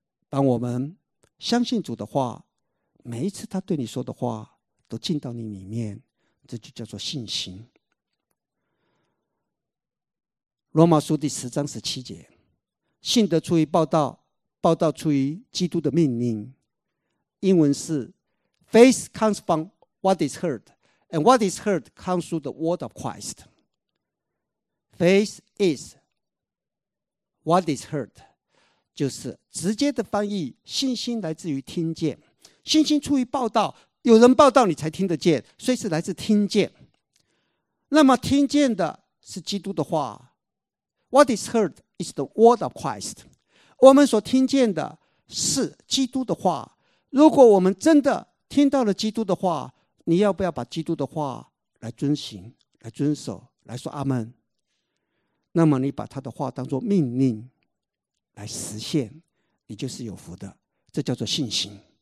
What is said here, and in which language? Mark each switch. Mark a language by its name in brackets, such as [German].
[Chinese] 当我们相信主的话，每一次他对你说的话都进到你里面，这就叫做信心。罗马书第十章十七节，信得出于报道，报道出于基督的命令。英文是 [English] Faith comes from what is heard, and what is heard comes through the word of Christ. Faith is what is heard, [Chinese] 就是直接的翻译，信心来自于听见，信心出于报道，有人报道你才听得见，所以是来自听见。那么听见的是基督的话， [English] What is heard is the word of Christ. [Chinese] 我们所听见的是基督的话。如果我们真的听到了基督的话，你要不要把基督的话来遵行、来遵守、来说阿们？那么你把他的话当作命令来实现，你就是有福的。这叫做信心。